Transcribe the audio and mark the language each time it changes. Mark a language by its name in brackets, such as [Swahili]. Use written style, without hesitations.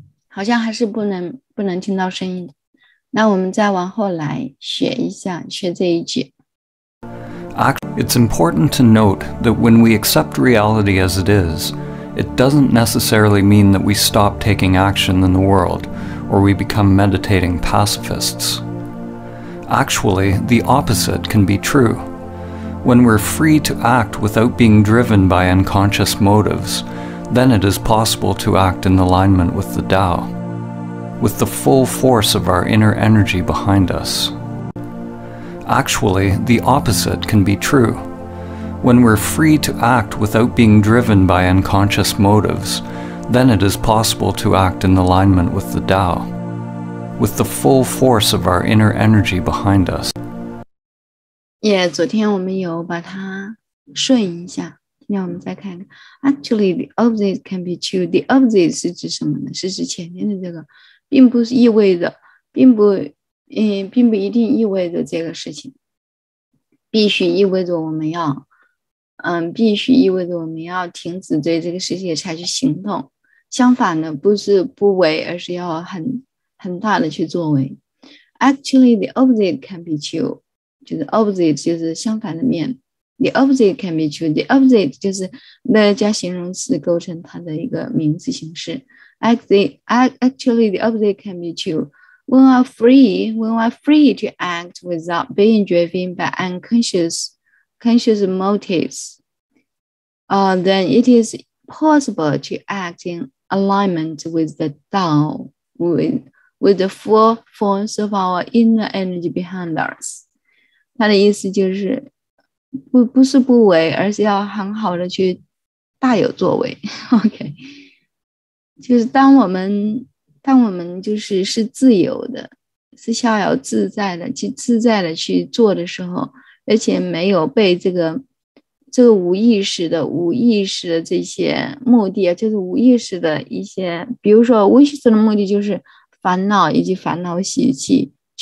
[Chinese] 好像还是不能听到声音。那我们再往后来学一下，学这一句。 [English] It's important to note that when we accept reality as it is, it doesn't necessarily mean that we stop taking action in the world, or we become meditating pacifists. Actually, the opposite can be true. When we're free to act without being driven by unconscious motives, then it is possible to act in alignment with the Tao, with the full force of our inner energy behind us. Actually, the opposite can be true. When we're free to act without being driven by unconscious motives, then it is possible to act in alignment with the Tao, with the full force of our inner energy behind us. [Chinese] Yeah, 昨天我们有把它顺一下，今天我们再看看。 [English] Actually, the opposite can be true. The opposite [Chinese] 是指什么呢？是指前面的这个，并不意味着，并不一定意味着这个事情，必须意味着我们要，必须意味着我们要停止对这个世界采取行动。相反的，不是不为，而是要很大的去作为。 [English] Actually, the opposite can be true. [Chinese] 就是 [English] opposite [Chinese] 就是相反的面 [English] ，the opposite can be true. The opposite [Chinese] 就是 the 加形容词构成它的一个名词形式。 [English] Actually, the opposite can be true. When we are free to act without being driven by unconscious motives, then it is possible to act in alignment with the Tao, with the full force of our inner energy behind us. [Chinese] 他的意思就是不是不为，而是要很好的去大有作为。 OK， 就是当我们就是自由的，是逍遥自在的，去自在的去做的时候，而且没有被这个无意识的这些目的，就是无意识的一些，比如说无意识的目的就是烦恼以及烦恼习气